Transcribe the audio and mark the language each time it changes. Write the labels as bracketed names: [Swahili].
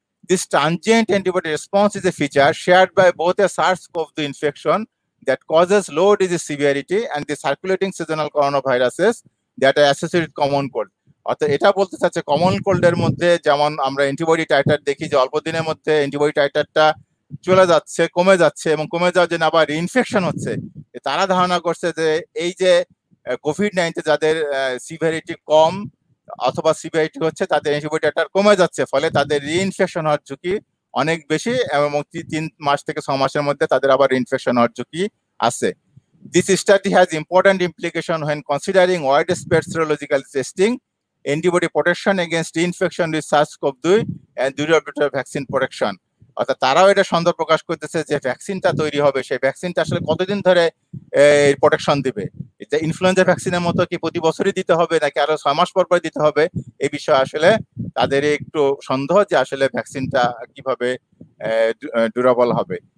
[English] this transient antibody response is a feature shared by both a SARS CoV the infection that causes low disease severity and the circulating seasonal corona viruses that are associated common cold, [Bangla] অর্থাৎ এটা বলতে চাচ্ছে common কোল্ডের মধ্যে যেমন আমরা antibody titre দেখি যে অল্প দিনের মধ্যে অ্যান্টিবডি টাইটারটা চলে যাচ্ছে কমে যাচ্ছে এবং কমে যাওয়ার জন্য আবার ইনফেকশন হচ্ছে, তারা ধারণা করছে যে এই যে COVID-19 যাদের সিভিয়ারিটি কম অথবা সিভিয়ারিটি হচ্ছে তাদের অ্যান্টিবডি টাইটার কমে যাচ্ছে, ফলে তাদের রিইনফেকশন হওয়ার ঝুঁকি অনেক বেশি এবং 3 মাস থেকে 6 মাসের মধ্যে তাদের আবার রিইনফেকশন হওয়ার ঝুঁকি আছে। [English] This study has important implication when considering widespread serological testing, antibody protection against reinfection with SARS-CoV-2 and durability of vaccine protection. [Bangla] অর্থাৎ তারাও এটা সন্দেহ প্রকাশ করতেছে যে ভ্যাকসিনটা তৈরি হবে সেই ভ্যাকসিনটা আসলে কতদিন ধরে প্রোটেকশন দিবে, এটা ইনফ্লুয়েঞ্জা ভ্যাকসিনের মতো কি প্রতি বছরই দিতে হবে নাকি আরো 6 মাস পর পর দিতে হবে, এই বিষয়ে আসলে তাদের একটু সন্দেহ যে আসলে ভ্যাকসিনটা কিভাবে ডিউরেবল হবে।